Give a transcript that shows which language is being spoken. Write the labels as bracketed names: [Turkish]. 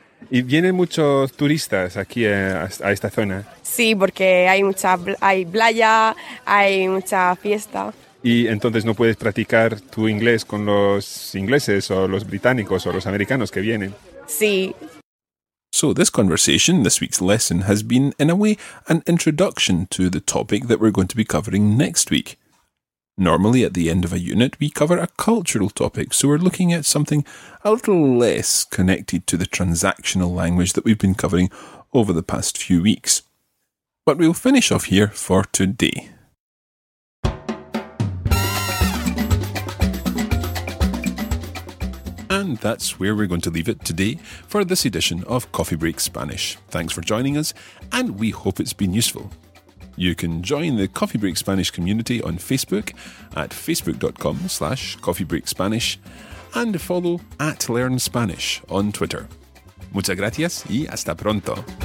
[Spanish] ¿Y vienen muchos turistas aquí a esta zona? Sí, porque hay playa, hay mucha fiesta. ¿Y entonces no puedes practicar tu inglés con los ingleses o los británicos o los americanos que vienen? Sí. [English] So this conversation, this week's lesson, has been, in a way, an introduction to the topic that we're going to be covering next week. Normally, at the end of a unit, we cover a cultural topic, so we're looking at something a little less connected to the transactional language that we've been covering over the past few weeks. But we'll finish off here for today. And that's where we're going to leave it today for this edition of Coffee Break Spanish. Thanks for joining us, and we hope it's been useful. You can join the Coffee Break Spanish community on Facebook at facebook.com/coffeebreakspanish and follow @learnspanish on Twitter. [Spanish] Muchas gracias y hasta pronto.